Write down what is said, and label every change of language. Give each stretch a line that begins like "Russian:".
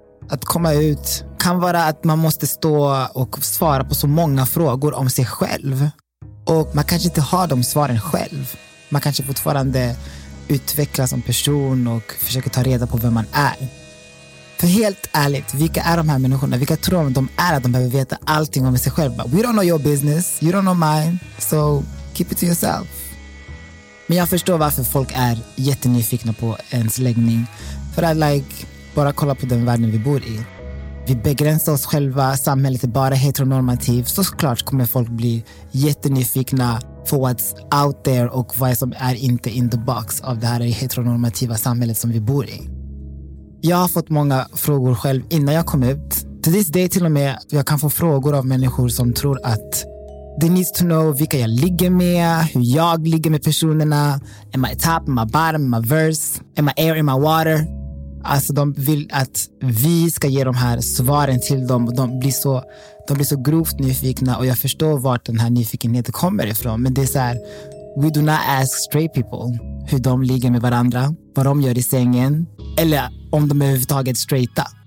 Swedish: Att komma ut kan vara att man måste stå och svara på så många frågor om sig själv. Och man kanske inte har de svaren själv. Man kanske fortfarande utvecklas som person och försöker ta reda på vem man är. För helt ärligt, vilka är de här människorna? Vilka tror de är att de behöver veta allting om sig själva?
English: We don't know your business, you don't know mine, so keep it to yourself.
Swedish: Men jag förstår varför folk är jättenyfikna på ens läggning. För att bara kolla på den världen vi bor i. Vi begränsar oss själva, samhället är bara heteronormativ. Så klart kommer folk bli jättenyfikna på
English: what's out there
Swedish: och vad som är inte
English: in the box
Swedish: av det här heteronormativa samhället som vi bor i. Jag har fått många frågor själv innan jag kom ut. Till
English: this day
Swedish: till och med, jag kan få frågor av människor som tror att
English: they need to know
Swedish: vilka jag ligger med, hur jag ligger med personerna.
English: Am I top, am I bottom, am I verse? Am I air, am I water?
Swedish: Alltså de vill att vi ska ge de här svaren till dem. De blir så grovt nyfikna, och jag förstår vart den här nyfikenheten kommer ifrån. Men det är så här,
English: we do not ask straight people
Swedish: hur de ligger med varandra, vad de gör i sängen, eller om de överhuvudtaget straighta.